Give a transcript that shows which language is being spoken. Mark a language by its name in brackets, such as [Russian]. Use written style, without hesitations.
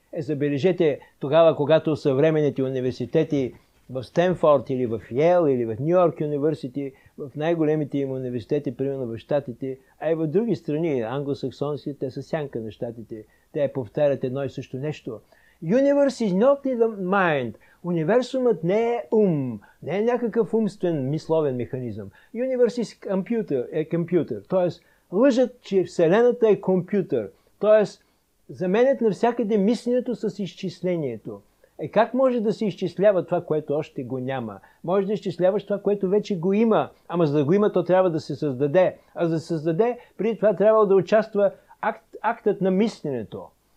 [Bulgarian] Е, забележете, тогава, когато съвременните университети в Стенфорд или в Йел или в Нью-Йорк университи, в най-големите им университети, примерно в щатите, а и в други страни, англосаксонски, те са сянка на щатите, те повтарят едно и също нещо. [English] Universe is not in the mind. [Bulgarian] Универсумът не е ум, не е някакъв умствен, мисловен механизъм. [English] Universe is computer, [Bulgarian] е компютър. Тоест, лъжат, че Вселената е компютър. Тоест, заменят навсякъде мисленето с изчислението. Е, как може да се изчислява това, което още го няма? Може да изчисляваш това, което вече го има. Ама за да го има, то трябва да се създаде. А за да се създаде, преди това трябва да участва актът на мисленето.